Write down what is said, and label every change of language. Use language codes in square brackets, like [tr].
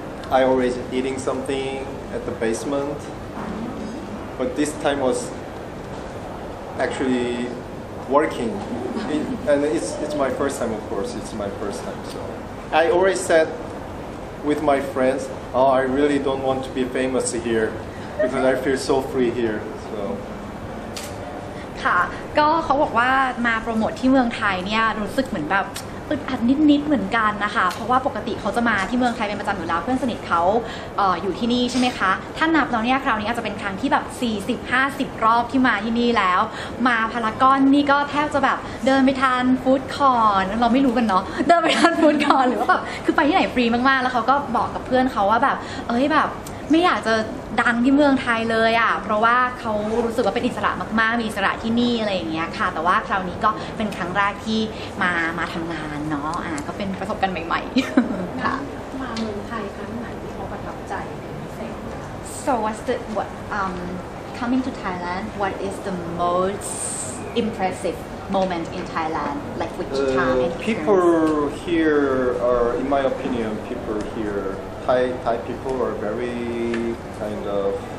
[en] I always eating something at the basement. But this time was actually working. It's my first time, of course. It's my first time. So I always said with my friends, oh, I really don't want to be famous here because I feel so free here. So. [th] ก็เขาบอกว่ามาโปรโมทที่เมืองไทยเนี่ยรู้สึกเหมือนแบบอึดอัดนิดๆเหมือนกันนะคะเพราะว่าปกติเขาจะมาที่เมืองไทยเป็นประจำอยู่แล้วเพื่อนสนิทเขา อยู่ที่นี่ใช่ไหมคะถ้านับแล้วเนี่ยคราวนี้อาจจะเป็นครั้งที่แบ บ40 50รอบที่มาที่นี่แล้วมาพารากอนนี่ก็แทบจะแบบเดินไปทานฟู้ดคอร์ทเราไม่รู้กันเนาะเดินไปทานฟู้ดคอร์ทหรือว่าแบบคือไปที่ไหนฟรีมากๆแล้วเขาก็บอกกับเพื่อนเขาว่าแบบเอ้ยแบบไม่อยากจะดังที่เมืองไทยเลยอ่ะเพราะว่าเขารู้สึกว่าเป็นอิสระมากๆมีอิสระที่นี่อะไรอย่างเงี้ยค่ะแต่ว่าคราวนี้ก็เป็นครั้งแรกที่มาทำงานเนาะก็เป็นประสบการณ์ใหม่ๆค่ะ มาเมืองไทยครั้งไหนที่เขาประทับใจเป็นพิเศษ [en] So what coming to Thailand what is the most impressive moment in Thailand like which time people here are in my opinion people hereThai people are very kind of